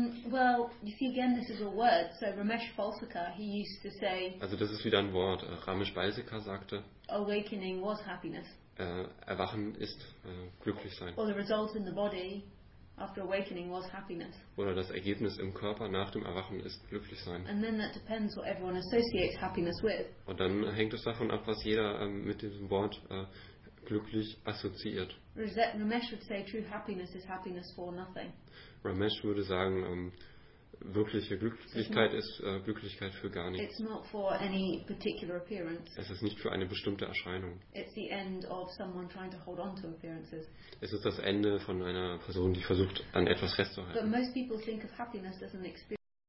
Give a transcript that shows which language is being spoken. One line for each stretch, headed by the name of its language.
English: Well, you see again, this is a word. So Ramesh Balsekar, he used to say.
German: Also das ist wieder ein Wort. Ramesh Balsekar sagte.
English: Awakening was happiness.
German: Erwachen ist glücklich sein.
English: Or the result in the body after awakening was happiness.
German: Oder das Ergebnis im Körper nach dem Erwachen ist glücklich sein.
English: And then that depends what everyone associates happiness with.
German: Und dann hängt es davon ab, was jeder mit diesem Wort glücklich assoziiert.
English: Ramesh would say, true happiness is happiness for nothing.
German: Ramesh würde sagen, wirkliche Glücklichkeit ist Glücklichkeit für gar nichts.
English: It's not for any particular appearance.
German: Es ist nicht für eine bestimmte Erscheinung.
English: It's the end of someone trying to hold on to appearances.
German: Es ist das Ende von einer Person, die versucht, an etwas festzuhalten.
English: But most people think of happiness as an experience.